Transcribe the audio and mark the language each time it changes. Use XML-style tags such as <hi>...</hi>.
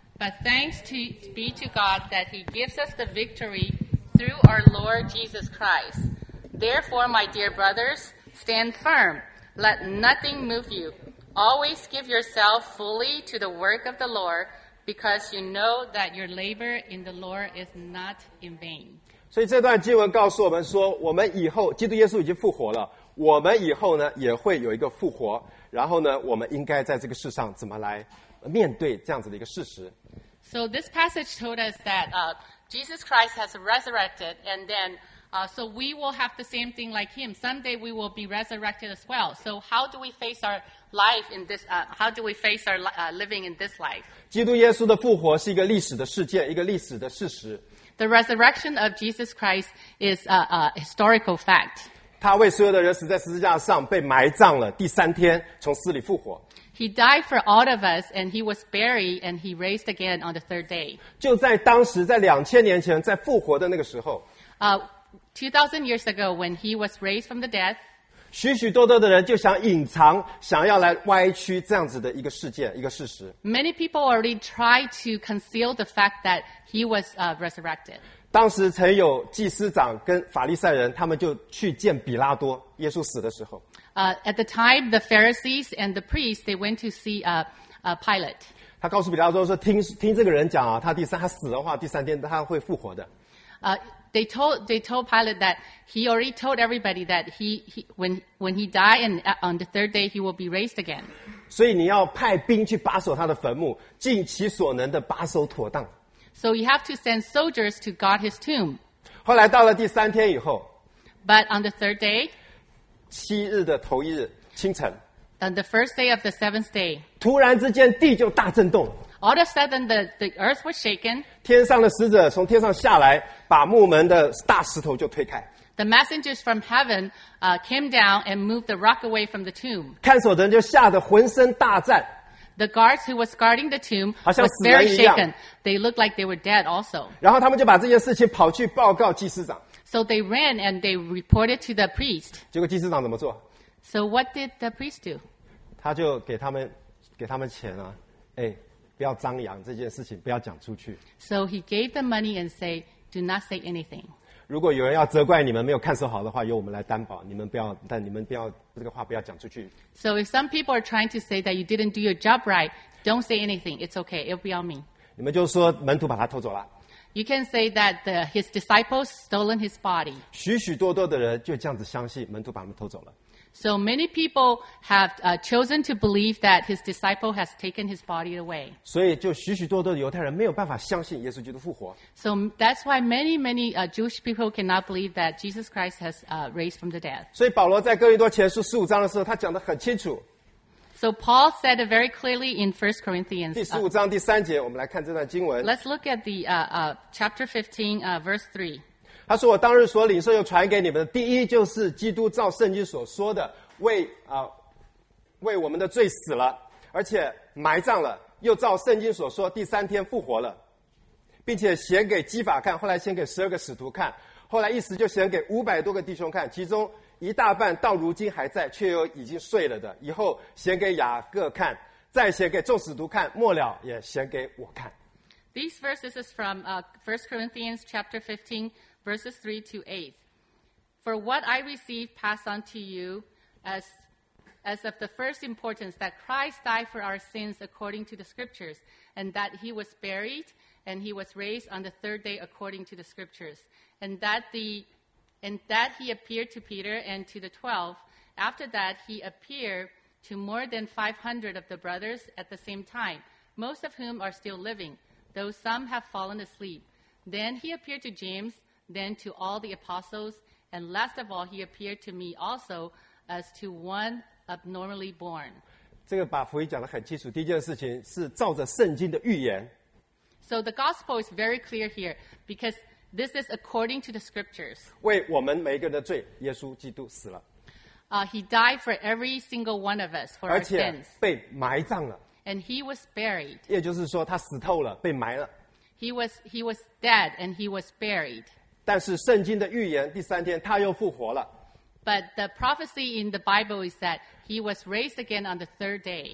<en>But thanks be to God that he gives us the victory through our Lord Jesus Christ. Therefore, my dear brothers, stand firm. Let nothing move you. Always give yourself fully to the work of the Lord, because you know that your labor in the Lord is not in vain.</en> <zh>所以这段经文告诉我们说，我们以后，基督耶稣已经复活了，我们以后呢，也会有一个复活，然后呢，我们应该在这个世上怎么来面对这样子的一个事实。</zh> <en>So this passage told us that Jesus Christ has resurrected, and then so we will have the same thing like him. Someday we will be resurrected as well. So how do we face our life in this, how do we face our living in this life?</en> <zh>基督耶稣的复活是一个历史的事件，一个历史的事实。</zh> <en>The resurrection of Jesus Christ is a historical fact.</en> <zh>他为所有的人死在十字架上，被埋葬了，第三天从死里复活。</zh> <en>He died for all of us, and he was buried, and he raised again on the third day.</en> <zh>就在当时，在两千年前，在复活的那个时候。</zh> <en>2000 years ago, when he was raised from the dead,</en> <zh>许许多多的人就想隐藏，想要来歪曲这样子的一个事件，一个事实。</zh> <en>Many people already tried to conceal the fact that he was resurrected.</en> <zh>当时曾有祭司长跟法利赛人，他们就去见比拉多，耶稣死的时候。</zh> <en>At the time, the Pharisees and the priests, they went to see Pilate.</en> <zh>他告诉比拉多说，听这个人讲啊，他死的话，第三天他会复活的。</zh> <en>They told Pilate that he already told everybody that when he died and on the third day he will be raised again.</en> <zh>所以你要派兵去把守他的坟墓，尽其所能的把守妥当。</zh> <en>So you have to send soldiers to guard his tomb.</en> <zh>后来到了第三天以后。</zh> <en>But on the third day.</en> <zh>七日的头一日清晨。</zh> <en>On the first day of the seventh day.</en> <zh>突然之间地就大震动。</zh> <en>All of a sudden, the earth was shaken.</en> <zh>天上的使者从天上下来，把墓门的大石头就推开。</zh> <en>The messengers from heaven came down and moved the rock away from the tomb.</en> <zh>看守的人就吓得浑身大颤。</zh> <en>The guards who was guarding the tomb was very shaken. They looked like they were dead also.</en> <zh>然后他们就把这件事情跑去报告祭司长。</zh> <en>So they ran and they reported to the priest.</en> <zh>结果祭司长怎么做？</zh> <en>So what did the priest do?</en> <zh>他就给他们钱啊，哎。不要张扬这件事情，不要讲出去。</zh> <en>So he gave them money and said, "Do not say anything."</en> <zh>如果有人要责怪你们没有看守好的话，由我们来担保。你们不要，但你们不要这个话不要讲出去。</zh> <en>So if some people are trying to say that you didn't do your job right, don't say anything. It's okay. It'll be on me.</en> <zh>你们就说门徒把他偷走了。</zh> <en>You can say that his disciples stolen his body.</en> <zh>许许多多的人就这样子相信门徒把他们偷走了。</zh> <en>So many people have chosen to believe that his disciple has taken his body away.</en> <zh>所以就许许多多的犹太人没有办法相信耶稣基督复活。</zh> <en>So that's why many Jewish people cannot believe that Jesus Christ has raised from the dead.</en> <zh>所以保罗在哥林多前书十五章的时候，他讲得很清楚。</zh> <en>So Paul said it very clearly in 1 Corinthians.</en> <zh>第十五章第三节，我们来看这段经文。</zh> <en>Let's look at the chapter 15, verse 3.</en> <zh>他说：“我当日所领受又传给你们的，第一就是基督照圣经所说的，为我们的罪死了，而且埋葬了，又照圣经所说，第三天复活了，并且显给基法看，后来显给十二个使徒看，后来一时就显给五百多个弟兄看，其中一大半到如今还在，却又已经睡了的，以后显给雅各看，再显给众使徒看，末了也显给我看。”</zh> <en>These verses is from 1 Corinthians chapter 15. Verses 3 to 8. For what I received passed on to you as of the first importance, that Christ died for our sins according to the scriptures, and that he was buried, and he was raised on the third day according to the scriptures, and that he appeared to Peter and to the 12. After that, he appeared to more than 500 of the brothers at the same time, most of whom are still living, though some have fallen asleep. Then he appeared to James,Then to all the apostles, and last of all, he appeared to me also as to one abnormally born.</en> <zh>这个把福音讲得很清楚。第一件事情是照着圣经的预言。</zh> <en>So the gospel is very clear here because this is according to the scriptures.</en> <zh>为我们每一个人的罪，耶稣基督死了。</zh> <en>He died for every single one of us for our sins.</en> <zh>而且被埋葬了。</zh> <en>And he was buried.</en> <zh>也就是说，他死透了，被埋了。</zh> <en>He was dead and he was buried.</en> <zh>但是圣经的预言第三天他又复活了。</zh> <en>But the prophecy in the Bible is that he was raised again on the third day.</en>